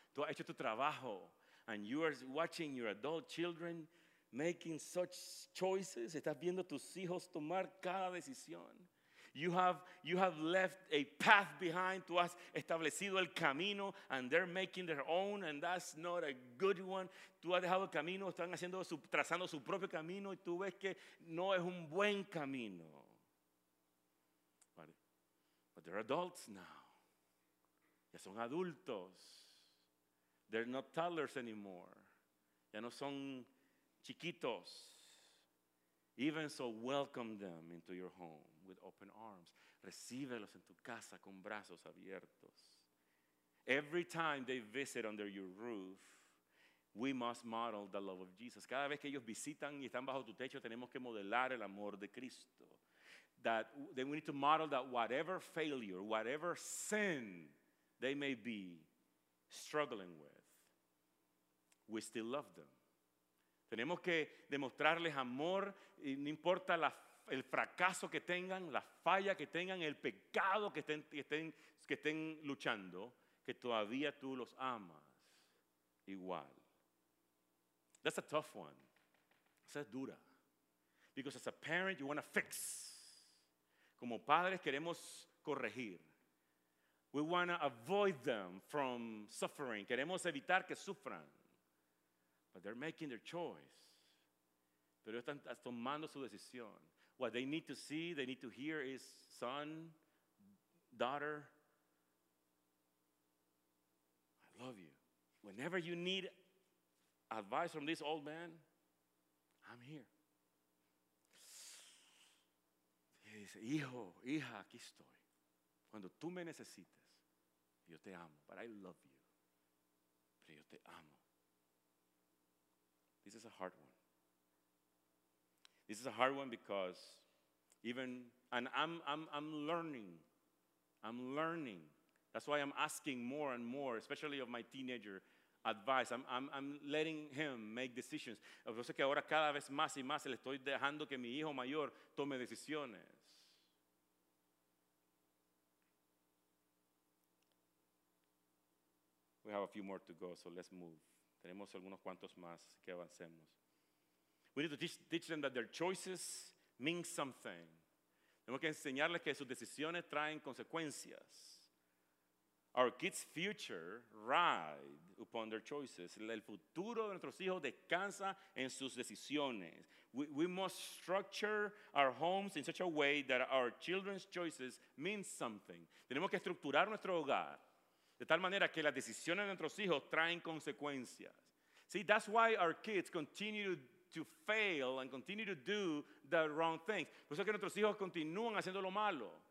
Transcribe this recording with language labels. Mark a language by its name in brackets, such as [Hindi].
[Spanish] Tú has hecho tu trabajo, [English] and you are watching your adult children making such choices. [Spanish] Estás viendo a tus hijos tomar cada decisión. [English] You have left a path behind. [Spanish] Tú has establecido el camino, [English] and they're making their own, and that's not a good one. [Spanish] Tú has dejado el camino, están haciendo trazando su propio camino, y tú ves que no es un buen camino. [English] But they're adults now. [Spanish] Ya son adultos. [English] They're not toddlers anymore. [Spanish] Ya no son chiquitos. [English] Even so, welcome them into your home with open arms. [Spanish] Recíbelos en tu casa con brazos abiertos. [English] Every time they visit under your roof, we must model the love of Jesus. [Spanish] Cada vez que ellos visitan y están bajo tu techo, tenemos que modelar el amor de Cristo. [English] Then we need to model that whatever failure, whatever sin they may be struggling with, we still love them. [Spanish] Tenemos que demostrarles amor, y no importa el fracaso que tengan, la falla que tengan, el pecado que estén luchando, que todavía tú los amas igual. [English] That's a tough one. [Spanish] Esa es dura. [English] Because as a parent, you want to fix. [Spanish] Como padres queremos corregir. [English] We want to avoid them from suffering. [Spanish] Queremos evitar que sufran. [English] But they're making their choice. [Spanish] Pero están tomando su decisión. [English] What they need to see, they need to hear is, son, daughter, I love you. Whenever you need advice from this old man, I'm here. [Spanish] Y dice, hijo, hija, aquí estoy. Cuando tú me necesites, yo te amo. [English] But I love you. [Spanish] Pero yo te amo. [English] This is a hard one. This is a hard one because I'm learning. That's why I'm asking more and more, especially of my teenager, advice. I'm letting him make decisions. [Spanish] Yo sé que ahora cada vez más y más le estoy dejando que mi hijo mayor tome decisiones. [English] We have a few more to go, so let's move. [Spanish] Tenemos algunos cuantos más que avancemos. [English] We need to teach them that their choices mean something. [Spanish] Tenemos que enseñarles que sus decisiones traen consecuencias. [English] Our kids' future ride upon their choices. [Spanish] El futuro de nuestros hijos descansa en sus decisiones. [English] We must structure our homes in such a way that our children's choices mean something. [Spanish] Tenemos que estructurar nuestro hogar De tal manera que las decisiones de nuestros hijos traen consecuencias. [English] See, that's why our kids continue to fail and continue to do the wrong things. [Spanish] Por eso es que nuestros hijos continúan haciendo lo malo.